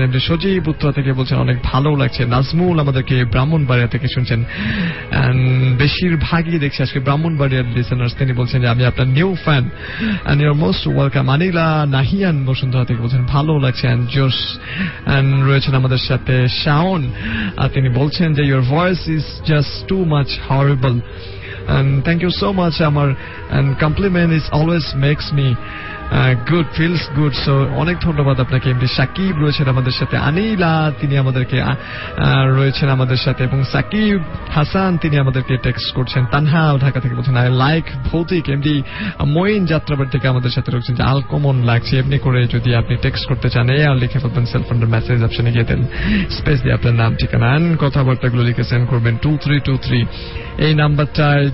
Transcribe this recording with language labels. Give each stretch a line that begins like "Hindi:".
Bangla: এমনি সজীব উত্তরা থেকে বলছেন অনেক ভালো লাগছে। নাজমুল আমাদেরকে ব্রাহ্মণবাড়িয়া থেকে শুনছেন, বেশিরভাগই দেখছি আজকে ব্রাহ্মণবাড়িয়ার লিসেনার্স। তিনি বলছেন যে আমি আপনার
English: New fan and you're most welcome.
Bangla: আনিলা নাহিয়ান বসুন্ধরা থেকে বলছেন ভালো লাগছে। অ্যান্ড জোশ অ্যান্ড রয়েছেন আমাদের সাথে শাওন, তিনি বলছেন যে
English: Your voice is just too much horrible. And thank you so much, Amar. And compliment is always makes me good, feels good. So,
Bangla: অনেক ধন্যবাদ আপনাকে। এমনি সাকিব রয়েছেন আমাদের সাথে, আনিলা তিনি আমাদেরকে রয়েছেন আমাদের সাথে এবং সাকিব হাসান তিনি আমাদেরকে টেক্সট করছেন। তানহা ঢাকা থেকে বলছেন
English: I like
Bangla: ভৌতিক। এমনি মইন যাত্রাবাড়ি থেকে আমাদের সাথে রয়েছেন যে আল কমন লাগছে। এমনি করে যদি আপনি টেক্সট করতে চান আর লিখে ফেলবেন সেলফোনের মেসেজ অপশনে গিয়ে দেন, স্পেস দিয়ে আপনার নাম ঠিকানা অ্যান্ড কথাবার্তাগুলো লিখে সেন্ড করবেন 2323 এই নাম্বারটায়।